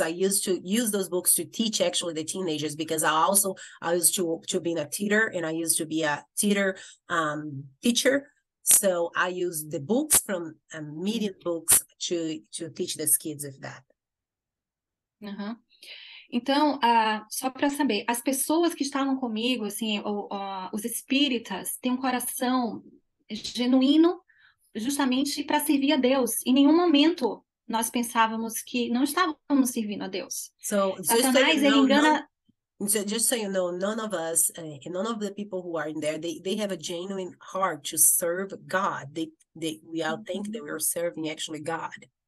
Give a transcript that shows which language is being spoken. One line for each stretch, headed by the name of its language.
English: I used to use those books to teach actually the teenagers because I used to be a tutor and I used to be a theater teacher. So I use the books from Median books to teach these kids of that.
Portuguese: Então, só para saber, as pessoas que estavam comigo, assim, os espíritas, têm um coração genuíno justamente para servir a Deus. Em nenhum momento nós pensávamos que não estávamos servindo a Deus.
English: So just so you
Portuguese: Satanás, ele
English: know,
Portuguese: engana.
English: none of us, none of the people who are in there, they have a genuine heart to serve God. We all think that we are serving actually God.